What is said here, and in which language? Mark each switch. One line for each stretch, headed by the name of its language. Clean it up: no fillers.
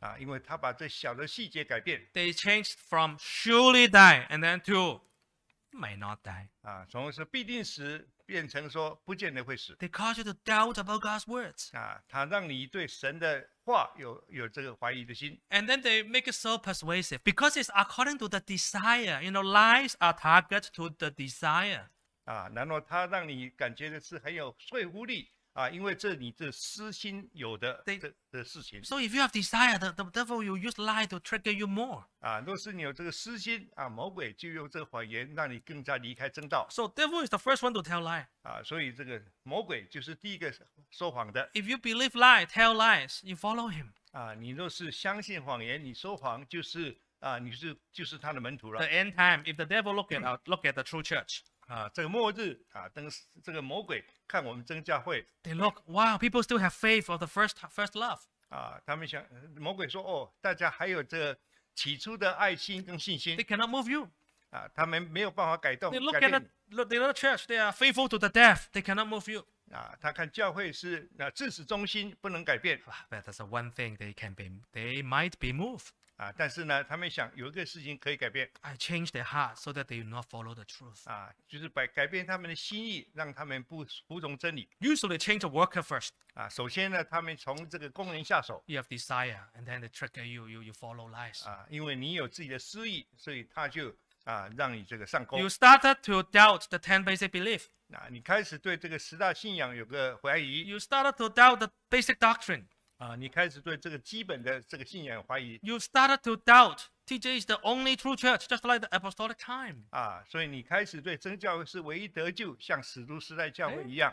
Chinese: 因为他把这小的细节改变。
English: They change from surely die and then to may not die.
Chinese: 从是必定死变成说不见得会死。
English: They cause you to doubt about God's words.
Chinese: 他让你对神的话 有这个怀疑的心。
English: And then they make it so persuasive because it's according to the desire. You know, lies are targeted to the desire.
Chinese: 然后他让你感觉的是很有说服力。因为这你这私心有 的事情。
English: So if you have desire, the devil will use lie to trigger you more.
Chinese: 若是你有这个私心，魔鬼就用这个谎言让你更加离开正道。
English: So devil is the first one to tell lie.
Chinese: 所以这个魔鬼就是第一个说谎的。
English: If you believe lie, tell lies, you follow him.
Chinese: 你若是相信谎言，你说谎就是你是就是他的门徒了。
English: The end time, if the devil look at the true church.
Chinese: 这个末日这个魔鬼看我们真教会。
English: They look, wow, people still have faith of the first love.
Chinese: 他们想，魔鬼说，大家还有这起初的爱心跟信心。
English: They cannot move you.
Chinese: 他们没有办法改动。
English: They look at the church, they are faithful to the death. They cannot move you.
Chinese: 他看教会是至始忠心，不能改变。
English: But that's one thing they might be moved.
Chinese: 但是呢，他们想有一个事情可以改变。
English: I change their heart so that they will not follow the truth.
Chinese: 就是改变他们的心意，让他们不服从真理。
English: Usually change the worker first.
Chinese: 首先呢，他们从这个工人下手。
English: You have desire, and then they trigger you. You follow lies.
Chinese: 因为你有自己的私意，所以他就让你这个上钩。
English: You started to doubt the 10 basic beliefs.
Chinese: 你开始对这个十大信仰有个怀疑。
English: You started to doubt the basic doctrine.
Chinese: 你开始对这个基本的这个信仰怀疑。
English: You started to doubt TJ is the only true church, just like the apostolic time.
Chinese: 所以你开始对真教会是唯一得救，像使徒时代教会一样。